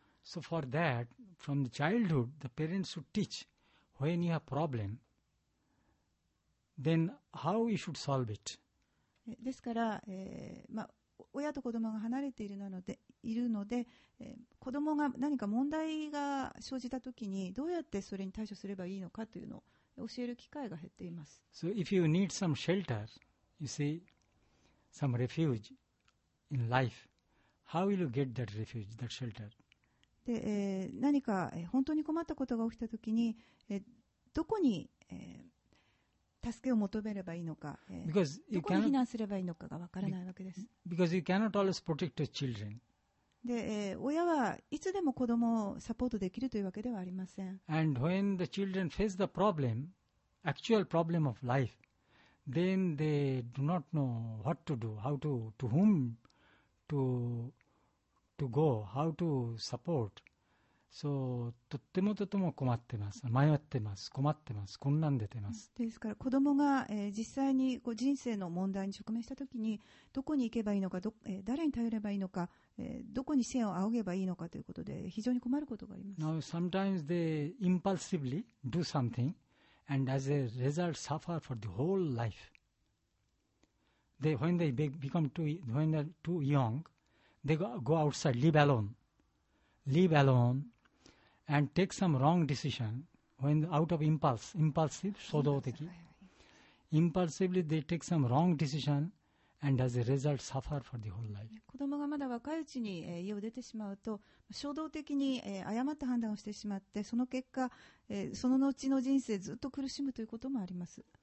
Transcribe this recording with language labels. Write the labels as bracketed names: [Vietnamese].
[English] So for that, from the childhood, the parents should teach when you have problem, then how you should solve it. [Japanese] ですから、まあ、親と子供が離れているので。いるので、子供が何か問題が生じたときにどうやってそれに対処すればいいのかというのを教える機会が減っています。 [English] So if you need some shelter, you see, some refuge in life, how will you get that refuge, that shelter? [Japanese] で、何か本当に困ったことが起きたときに、どこに、助けを求めればいいのか、 [English] because、 [Japanese] どこに避難すればいいのかがわからないわけです。 [English] Because you cannot always protect your children. [Japanese] で、親はいつでも子供をサポートできるというわけではありません。 [English] And when the children face the problem, actual problem of life, then they do not know what to do, how to whom to go, how to support. [Japanese] So, とても困ってます、迷ってます、困ってます、困難出てます。ですから子供が、実際にこう人生の問題に直面したときに、どこに行けばいいのか、誰に頼ればいいのか、どこに線を仰げばいいのかということで非常に困ることがあります。 [English] Now sometimes they impulsively do something and as a result suffer for the whole life. They, when they become too, when they're too young, they go outside, live alone and take some wrong decision when out of impulsive, sodoteki. Impulsively they take some wrong decision. And as a result, suffer for the whole life. [Japanese] 子供がまだ若いうちに家を出てしまうと衝動的に誤った判断をしてしまってその結果その後の人生ずっと苦しむということもあります。